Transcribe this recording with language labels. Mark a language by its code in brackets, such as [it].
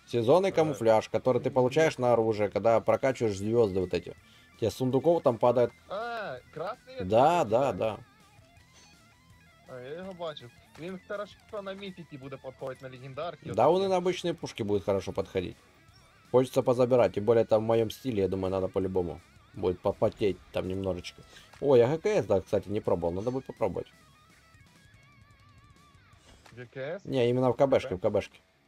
[ru] Сезонный камуфляж, который ты получаешь на оружие, когда прокачиваешь звезды вот эти. Тебе сундуков там падает. А, красный? Да, да, да. А, я его [uk] бачу. Він хорошо на міфіки буде підходити, на легендарки. [ru] Да, он и на обычные пушки будет хорошо подходить. Хочется позабирать, тем более там в моем стиле, я думаю, надо по-любому. Будет попотеть там немножечко. О, я ГКС, да, кстати, не пробовал, надо будет попробовать. ГКС? Не, именно в КБшке, в КБшке.